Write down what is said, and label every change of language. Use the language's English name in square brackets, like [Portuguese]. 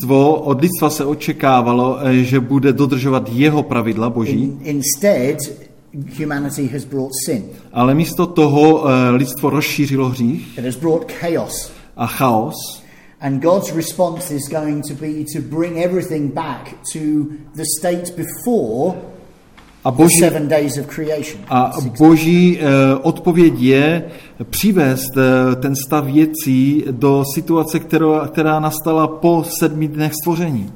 [Czech] Od lidstva se očekávalo, že bude dodržovat jeho pravidla Boží. [English] Instead, humanity has brought sin. [Czech] Ale místo toho lidstvo rozšířilo hřích. [English] It has brought chaos. [Czech] A chaos. [English] And God's response is going to be to bring everything back to the state before. [Czech] A Boží, [English] seven days of creation. [Czech] A Boží odpověď je přivést ten stav věcí do situace, která nastala po sedmi dnech stvoření.